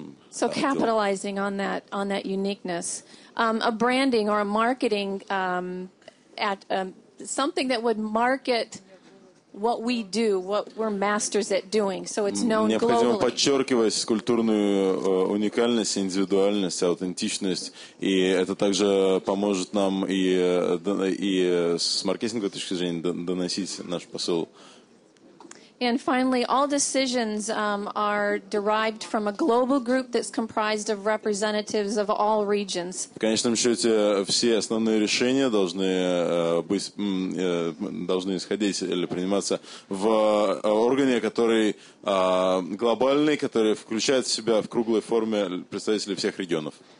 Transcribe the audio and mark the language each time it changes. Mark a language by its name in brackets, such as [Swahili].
[English] So capitalizing on that uniqueness, a branding or a marketing something that would market what we do, what we're masters at doing, so it's known globally. [Russian] Необходимо подчеркивать культурную уникальность, индивидуальность, аутентичность, и это также поможет нам и с маркетинговой точки зрения доносить наш посыл. [English] And finally, all decisions are derived from a global group that's comprised of representatives of all regions. [Russian] В конечном счете, все основные решения должны исходить или приниматься в органе, который глобальный, который включает в себя в круглой форме представителей всех регионов.